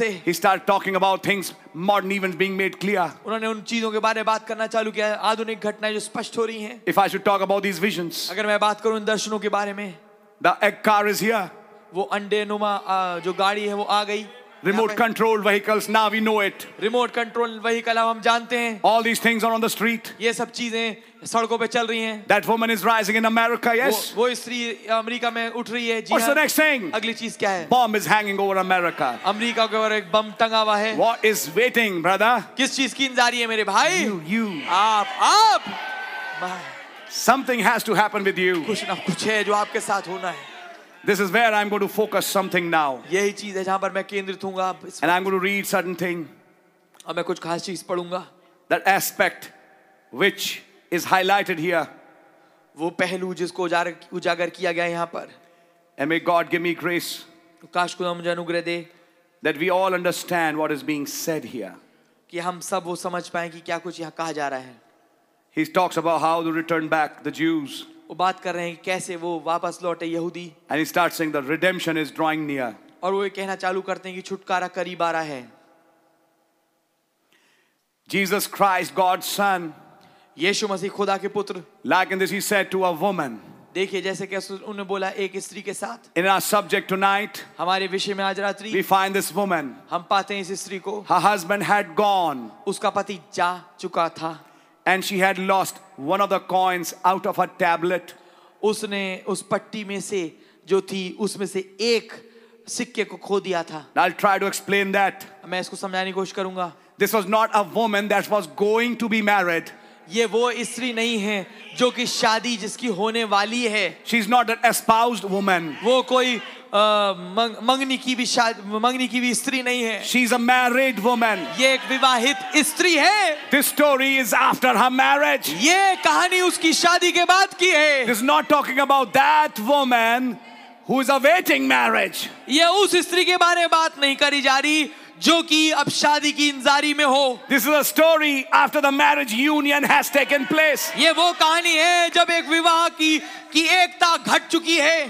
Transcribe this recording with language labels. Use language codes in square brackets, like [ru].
[en] He started talking about things modern events being made clear. If I should talk about these visions, the egg car is here. Remote control vehicles, now we know it. Remote control vehicle, [hi] अब हम जानते हैं. [en] All these things are on the street. [hi] ये सब चीजें सड़कों पे चल रही हैं. [en] That woman is rising in America, yes. [hi] वो स्त्री अमेरिका में उठ रही है. जी. [en] What's the next thing? [hi] अगली चीज क्या है? [en] Bomb is hanging over America. [hi] America के ऊपर एक बम टंगा हुआ है. [en] What is waiting, brother? [hi] किस चीज की इंतजारी है मेरे भाई? [en] You. [hi] आप. [en] My. Something has to happen with you. [hi] कुछ ना कुछ है जो आपके साथ होना है. [en] This is where I'm going to focus something now. [hi] यही चीज़ है जहाँ पर मैं केंद्रित होऊँगा. [en] And I'm going to read certain thing. [hi] और मैं कुछ खास चीज़ पढ़ूँगा. [en] That aspect which is highlighted here. [hi] वो पहलू जिसको उजागर किया गया यहाँ पर. [en] And may God give me grace. [hi] काश खुदा मुझे अनुग्रह दे. [en] That we all understand what is being said here. [hi] कि हम सब वो समझ पाएं कि क्या कुछ यहाँ कहा जा रहा है. [en] He talks about how to return back the Jews. [hi] वो बात कर रहे हैं कैसे वो वापस लौटे यहूदी. [en] And he starts saying the redemption is drawing near. [hi] और वो ये कहना चालू करते हैं कि छुटकारा करीब आ रहा है. [en] Jesus Christ, God's Son. [hi] यीशु मसीह खुदा के पुत्र. [en] Like in this, he said to a woman. [hi] देखिए जैसे कैसे उन्होंने बोला एक स्त्री के साथ. [en] In our subject tonight, [hi] हमारे विषय में आज रात्रि, [en] we find this woman. [hi] हम पाते हैं इस स्त्री को. [en] Her husband had gone. [hi] उसका पति जा चुका था. [en] And she had lost one of the coins out of her tablet. [hi] उसने उस पट्टी में से जो थी उसमें से एक सिक्के को खो दिया था. [en] I'll try to explain that. [hi] मैं इसको समझाने की कोशिश करूंगा. [en] This was not a woman that was going to be married. [hi] ये वो स्त्री नहीं है जो कि शादी जिसकी होने वाली है. [en] She is not an espoused woman. [hi] वो कोई मंगनी की भी स्त्री नहीं है. [en] She is a married woman. [hi] ये एक विवाहित स्त्री है. [en] This story is after her marriage. [hi] ये कहानी उसकी शादी के बाद की है. [en] This is not talking about that woman who is awaiting marriage. [hi] ये उस स्त्री के बारे में बात नहीं करी जा रही जो कि अब शादी की इंतजारी में हो. [en] This is a story after the marriage union has taken place. [hi] ये वो कहानी है जब एक विवाह की एकता घट चुकी है.